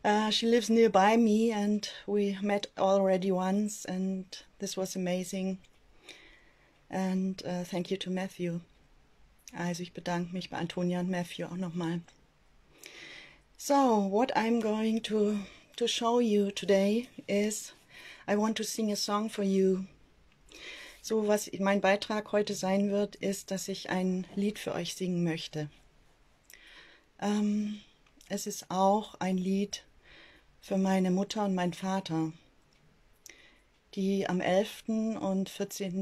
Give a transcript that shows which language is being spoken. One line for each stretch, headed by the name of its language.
English: She lives nearby me, and we met already once, and this was amazing. And thank you to Matthew.
German: Also ich bedanke mich bei Antonia und Matthew auch nochmal.
English: So, what I'm going to show you today is, I want to sing a song for you.
German: So, was mein Beitrag heute sein wird, ist, dass ich ein Lied für euch singen möchte. Es ist auch ein Lied für meine Mutter und meinen Vater, die am 11. und 14.